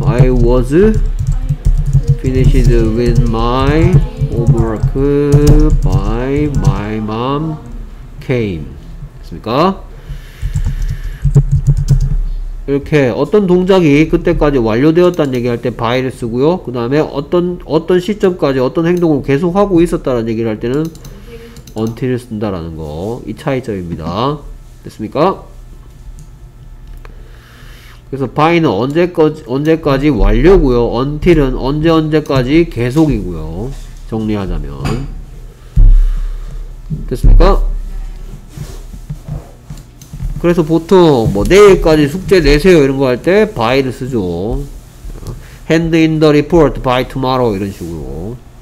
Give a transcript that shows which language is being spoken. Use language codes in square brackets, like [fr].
[en] I was finished with my homework by my mom came. [ko] 됐습니까? 이렇게 어떤 동작이 그때까지 완료되었다는 얘기할 때 by를 쓰고요. 그 다음에 어떤 시점까지 어떤 행동을 계속하고 있었다라는 얘기를 할 때는 until을 쓴다라는 거. 이 차이점입니다. 됐습니까? 그래서 by는 언제까지 완료고요. until은 언제까지 계속이고요. 정리하자면. 됐습니까? 그래서 보통 뭐 내일까지 숙제 내세요 이런 거 할 때 by를 쓰죠. [en] hand in the report by tomorrow [ko] 이런 식으로.